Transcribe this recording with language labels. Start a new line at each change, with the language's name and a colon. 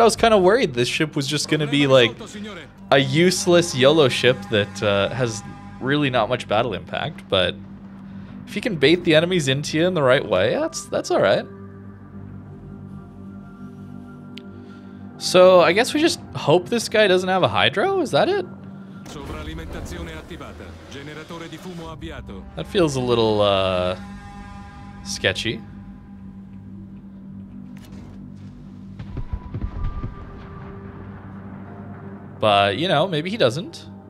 English: I was kind of worried this ship was just going to be like a useless Yolo ship that has really not much battle impact. But if you can bait the enemies into you in the right way, that's all right. So I guess we just hope this guy doesn't have a hydro. Is that it?
Italian: Sovralimentazione attivata. Generatore di fumo avviato.
English: That feels a little sketchy. But you know, maybe he doesn't.